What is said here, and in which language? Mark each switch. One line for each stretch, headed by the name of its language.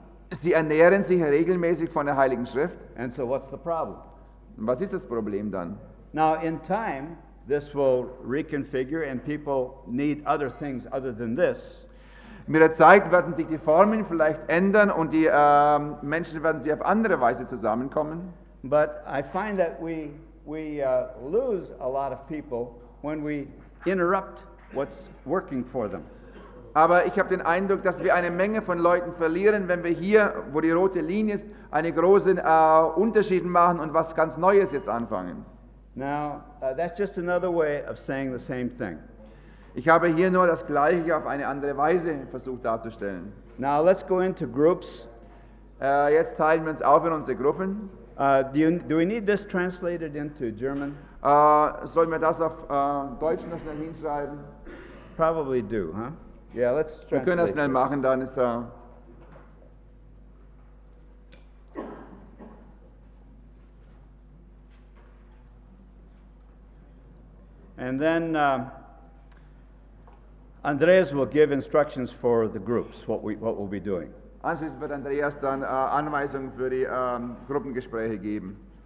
German: Sie ernähren sich regelmäßig von der Heiligen Schrift.
English: And so what's the problem?
German: Was ist das Problem dann?
English: Now in time this will reconfigure and people need other things other than this.
German: Mit der Zeit werden sich die Formen vielleicht ändern und die Menschen werden sich auf andere Weise zusammenkommen.
English: But I find that we lose a lot of people when we interrupt what's working for them.
German: Aber ich habe den Eindruck, dass wir eine Menge von Leuten verlieren, wenn wir hier, wo die rote Linie ist, einen großen Unterschied machen und was ganz Neues jetzt anfangen.
English: Now, that's just another way of saying the same thing.
German: Ich habe hier nur das Gleiche auf eine andere Weise versucht darzustellen.
English: Now, let's go into groups.
German: Jetzt teilen wir uns auf in unsere Gruppen.
English: Do we need this translated into German?
German: Sollen wir das auf Deutsch noch schnell hinschreiben?
English: Probably do, huh? Yeah, let's translate.
German: Wir können das schnell machen, dann ist es...
English: And then Andreas will give instructions for the groups, what we'll be doing.
German: Anschließend wird Andreas dann Anweisungen für die Gruppengespräche geben.